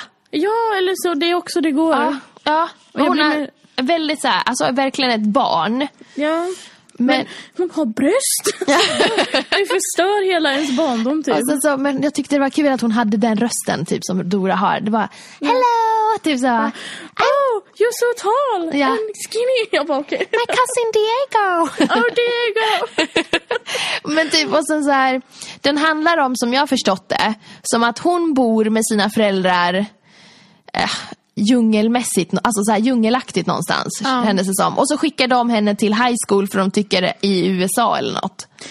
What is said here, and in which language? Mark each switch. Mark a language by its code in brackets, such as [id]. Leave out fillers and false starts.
[sv] Ja, eller så det är också det går. Ja. Hon är väldigt så här, alltså verkligen ett barn. Ja. Men hon har bröst. Det förstör hela ens barndom typ. Alltså, så, men jag tyckte det var kul att hon hade den rösten typ som Dora har. Det var hello typ så. [en] Oh, you're so tall. Yeah. And skinny. My cousin Diego. Oh, Diego. [sv] men typ, och sen så här, den handlar om, som jag förstått det, som att hon bor med sina föräldrar djungelmässigt, alltså så här djungelaktigt någonstans, händes det som. Och så skickar de henne till high school för de tycker i USA eller något.